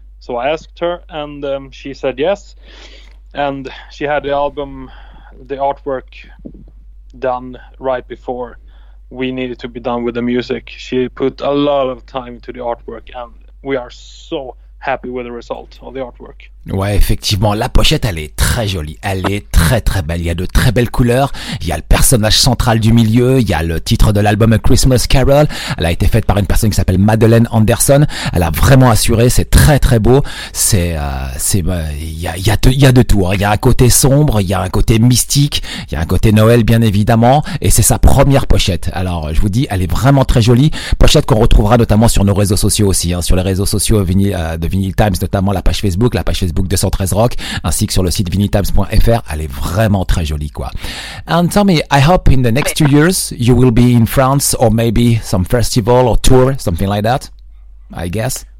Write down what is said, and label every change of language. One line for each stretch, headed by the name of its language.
English: So I asked her, and she said yes, and she had the album, the artwork done right before we needed to be done with the music. She put a lot of time into the artwork, and we are so happy with the result of the artwork.
French: Ouais, effectivement, la pochette, elle est très jolie. Elle est très très belle. Il y a de très belles couleurs. Il y a le personnage central du milieu. Il y a le titre de l'album A Christmas Carol. Elle a été faite par une personne qui s'appelle Madeleine Anderson. Elle a vraiment assuré. C'est très très beau. Il y a de tout. Il y a un côté sombre. Il y a un côté mystique. Il y a un côté Noël, bien évidemment. Et c'est sa première pochette. Alors, je vous dis, elle est vraiment très jolie. Pochette qu'on retrouvera notamment sur nos réseaux sociaux aussi, hein, sur les réseaux sociaux de Vinyl Times, notamment la page Facebook, 213 Rock, ainsi que sur le site vinyltimes.fr. Elle est vraiment très jolie, quoi.
English: And tell me, I hope in the next 2 years you will be in France or maybe some festival or tour, something like that, I guess.